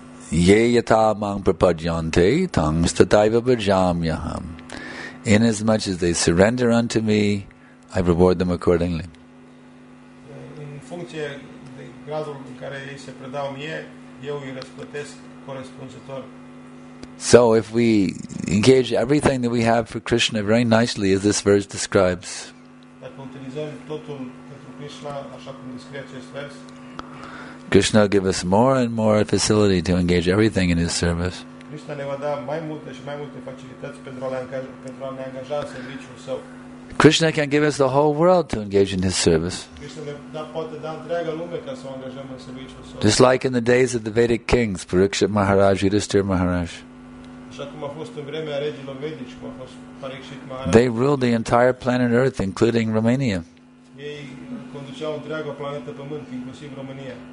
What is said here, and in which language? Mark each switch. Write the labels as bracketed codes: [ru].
[sa] Ye yata mang prapadyante tang stadaiva bhajamyaham. [en] Inasmuch as they surrender unto me, I reward them accordingly. [ro] In funcție de gradul în care ei se predau mie, eu îi răsplătesc corespunzător. [en] So if we engage everything that we have for Krishna very nicely, as this verse describes, [ro] dacă utilizăm totul pentru Krishna, așa cum descrie acest vers, [en] Krishna will give us more and more facility to engage everything in his service. [ro] Krishna ne va da mai multe și mai multe facilități pentru a ne angaja în serviciul său. [en] Krishna can give us the whole world to engage in his service. [ro] Krishna ne poate da întreaga lume ca să o angajăm în serviciul său. [en] Just like in the days of the Vedic kings, Parikshit Maharaj, Yudhishthira Maharaj. [ro] Așa cum a fost în vremea regilor vedici, cum a fost Parikshit Maharaj. [en] They ruled the entire planet Earth, including Romania. [ro] Ei conduceau întreaga planetă Pământ, inclusiv România.